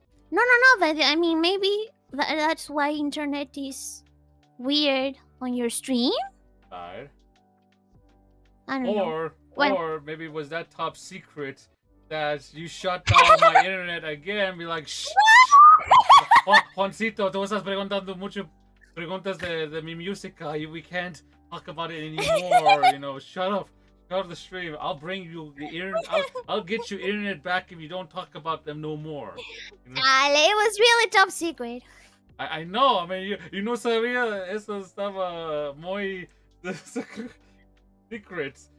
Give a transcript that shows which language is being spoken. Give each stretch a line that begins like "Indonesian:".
English: No, but I mean, maybe that's why internet is weird on your stream? Right. I don't know. Or maybe it was that top secret that you shut down my internet again and be like, shh!
Spanish: Juancito, tú estás preguntando mucho preguntas de mi música.
English: We can't talk about it anymore, you know, shut up. Out of the stream, I'll bring you the internet. I'll get your internet back if you don't talk about them no more. It was really top secret. I know. I mean, you
Spanish: no sabía eso estaba muy
English: secret.